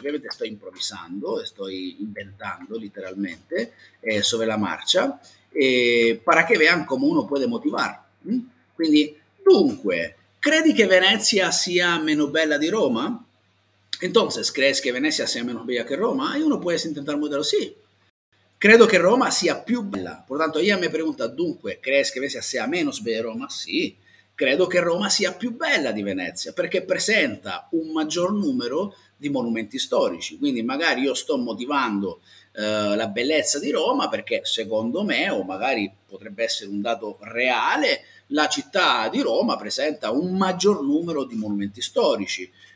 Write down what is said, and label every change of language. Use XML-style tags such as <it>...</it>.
<it>Ovviamente sto improvvisando, sto inventando letteralmente</it> <es>sobre la marcia, para que vean come uno puede motivar.</es> <it>Quindi, dunque, credi che Venezia sia meno bella di Roma?</it> <es>Entonces, ¿crees que Venecia sea menos bella que Roma? Y uno puede intentar modelo, sí. Credo que Roma sea</es> <it>più bella.</it> <es>Por tanto, ella me pregunta, dunque, ¿crees que Venecia sea menos bella de Roma? Sí. Credo que Roma sea</es> <it>più bella di Venezia, perché presenta un maggior numero di monumenti storici. Quindi, magari io sto motivando la bellezza di Roma, perché secondo me, o magari potrebbe essere un dato reale, la città di Roma presenta un maggior numero di monumenti storici.</it>